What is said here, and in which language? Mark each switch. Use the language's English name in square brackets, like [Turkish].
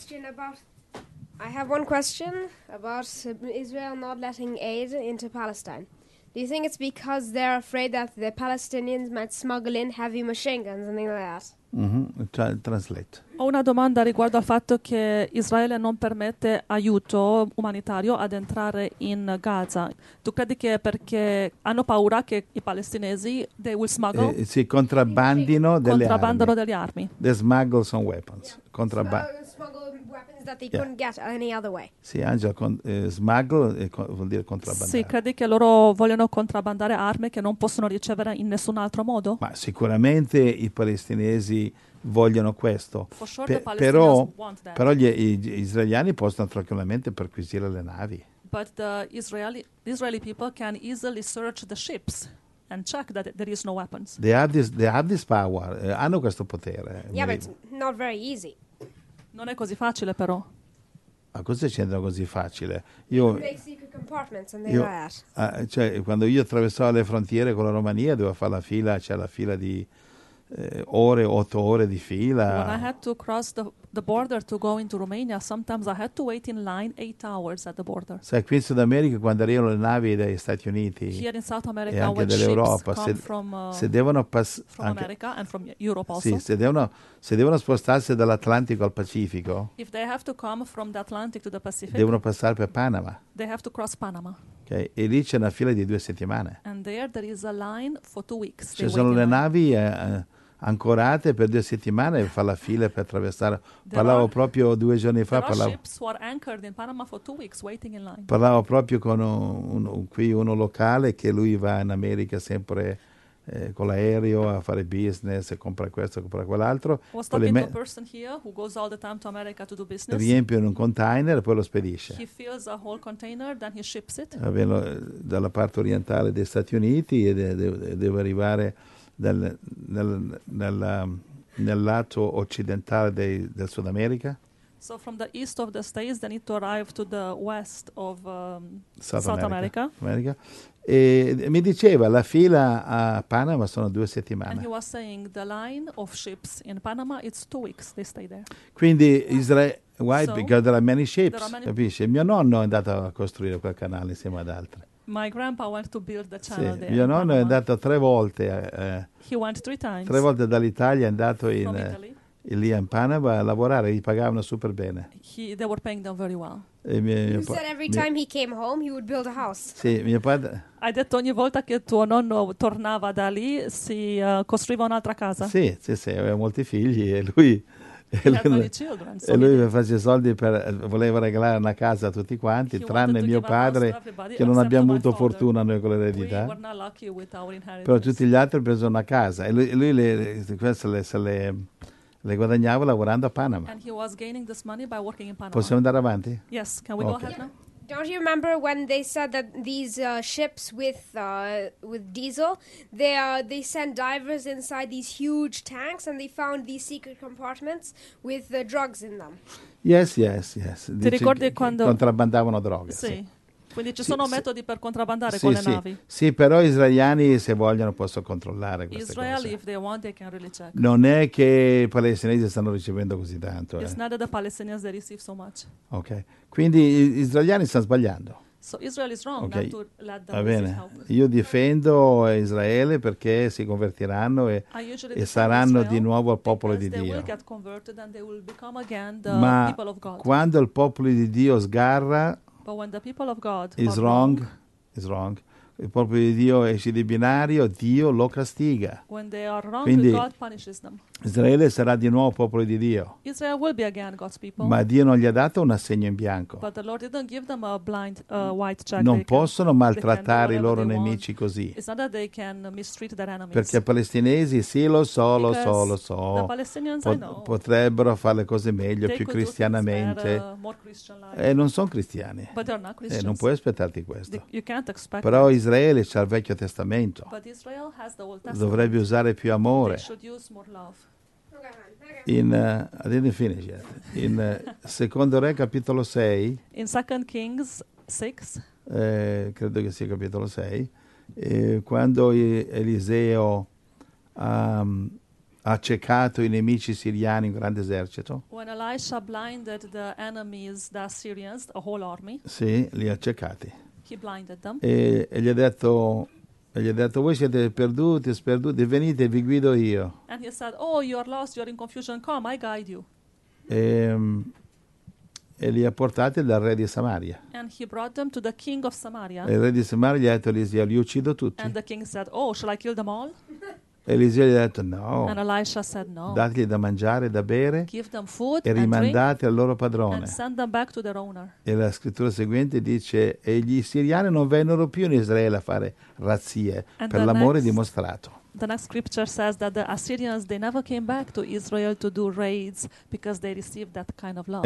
[English] I have one question about Israel not letting aid into Palestine. Do you think it's because they're afraid that the Palestinians might smuggle in heavy machine guns and things like that? Translate. [Italian] Ho una domanda riguardo al fatto che Israele non permette aiuto umanitario ad entrare in Gaza. Tu credi che è perché hanno paura che i palestinesi [English] they will smuggle? [Italian] Sì, contrabbandino delle armi. Contrabbandano delle armi. [English] They smuggle some weapons. Yeah. Smuggle weapons that they couldn't get any other way. [Italian] Sì, Angela, vuol dire contrabbandare. Sì, credi che loro vogliono contrabbandare armi che non possono ricevere in nessun altro modo? Ma sicuramente i palestinesi vogliono questo. [English] For sure [Italian] però gli israeliani possono tranquillamente perquisire le navi. [English] But the Israeli people can easily search the ships and check that there is no weapons. They have this power. [Italian] Hanno questo potere. [English] Yeah, but not very easy. [Italian] Non è così facile, però. Ma cosa c'entra così facile? Cioè, quando io attraversavo le frontiere con la Romania, dovevo fare la fila, c'è la fila di ore, 8 ore di fila. [English] When I had to cross the border to go into Romania, sometimes I had to wait in line 8 hours at the border. [Italian] Sai, qui in Sud America, quando arrivano le navi dagli Stati Uniti [English] here in South America, [Italian] e anche [English] when [Italian] dell'Europa, [English] ships come from, [Italian] se devono passare [English] anche America and from Europe also. [Italian] Sì, se devono spostarsi dall'Atlantico al Pacifico, [English] if they have to come from the Atlantic to the Pacific, [Italian] devono passare per Panama. [English] They have to cross Panama. [Italian] Okay. E lì c'è una fila di 2 settimane. [English] And there is a line for 2 weeks. [Italian] Ci sono le navi ancorate per 2 settimane e fa la fila per attraversare. Parlavo proprio 2 giorni fa. Parlavo proprio con uno locale che lui va in America sempre con l'aereo a fare business e compra questo, compra quell'altro. Riempiono un container e poi lo spedisce. [English] He fills a whole container, then he ships it. [Italian] Dalla parte orientale degli Stati Uniti e deve arrivare nel lato occidentale del Sud America. [English] So from the east of the states they need to arrive to the west of South America. [Italian] E mi diceva la fila a Panama sono 2 settimane. [English] And he was saying the line of ships in Panama it's 2 weeks they stay there. [Italian] Quindi Israele, [English] why? So, because there are many ships. [Italian] Capisci? Mio nonno è andato a costruire quel canale insieme ad altri. [English] My grandpa went to build the channel. [Italian] Sì, [English] there [Italian] mio nonno è andato 3 volte. [English] He went 3 times. [Italian] 3 volte dall'Italia è andato in lì in Panama a lavorare, gli pagavano super bene. [English] They were paying them very well. [Italian] Ha detto ogni volta che tuo nonno tornava da lì si costruiva un'altra casa. Sì, sì, sì, aveva molti figli e lui e lui faceva soldi per voleva regalare una casa a tutti quanti, tranne mio padre, che non abbiamo avuto fortuna noi con l'eredità. Però tutti gli altri hanno preso una casa e lui le guadagnava lavorando a Panama. [English] And he was gaining this money by working in Panama. [Italian] Possiamo andare avanti? [English] Yes, can we go ahead now? Don't you remember when they said that these ships with diesel, they sent divers inside these huge tanks and they found these secret compartments with the drugs in them? Yes, yes, yes. [Italian] Ti ricordi quando contrabbandavano droga? Sì. Quindi ci sono metodi per contrabbandare con le navi. Sì, però gli israeliani, se vogliono, possono controllare queste [English] Israeli, [Italian] cose. [English] If they want, they can really check. [Italian] Non è che i palestinesi stanno ricevendo così tanto. [English] It's not that the Palestinians they receive so much. [Italian] Ok. Quindi gli israeliani stanno sbagliando. [English] So Israel is wrong, okay. Not to let them. [Italian] Va bene. Io difendo Israele perché si convertiranno e saranno [English] Israel [Italian] di nuovo il popolo di Dio. [English] They will get converted and they will become again the [Italian] Ma [English] people of God. [Italian] Quando il popolo di Dio sgarra, [English] but when the people of God is wrong, is wrong. [Italian] Il popolo di Dio esce di binario, Dio lo castiga. [English] When they are wrong, [Italian] quindi, [English] God punishes them. [Italian] Israele sarà di nuovo popolo di Dio. [English] Israel will be again God's people. [Italian] Ma Dio non gli ha dato un assegno in bianco. [English] But the Lord didn't give them a blind, white check. [Italian] Non possono maltrattare i loro nemici così. [English] It's not that they can mistreat their enemies. [Italian] Perché i palestinesi, sì, lo so. [English] The Palestinians, [Italian] potrebbero fare le cose meglio, più cristianamente. Non sono cristiani. [English] But they're not Christians. [Italian] Non puoi aspettarti questo. [English] You can't expect. [Italian] Però Israele c'ha il Vecchio Testamento. [English] But Israel has the Old Testament. [Italian] Dovrebbe usare più amore. [English] They should use more love. I didn't finish yet. [Italian] In Secondo Re capitolo 6. [English] In Second Kings 6. [Italian] Credo che sia capitolo 6. Quando Eliseo ha accecato i nemici siriani, un grande esercito. [English] When Elisha blinded the enemies, the Syrians, a whole army. [Italian] Sì, li ha accecati. [English] He blinded them. [Italian] E gli ha detto. E gli ha detto: voi siete perduti, sperduti, venite, vi guido io. [English] And he said, oh, you are lost, you are in confusion, come, I guide you. [Italian] E li ha portati dal re di Samaria. [English] And he brought them to the king of Samaria. [Italian] E il re di Samaria gli ha detto: Eliseo, li uccido tutti. [English] And the king said, oh, shall I kill them all? [Italian] Eliseo gli ha detto: no. [English] And Elisha said, no. [Italian] Dategli da mangiare e da bere. [English] Give them food [Italian] e rimandate [English] and drink [Italian] al loro padrone. [English] And send them back to their owner. [Italian] E la scrittura seguente dice: e gli siriani non vennero più in Israele a fare razzie [English] and [Italian] per l'amore [English] next, [Italian] dimostrato. [English] The next scripture says that the Assyrians they never came back to Israel to do raids because they received that kind of love.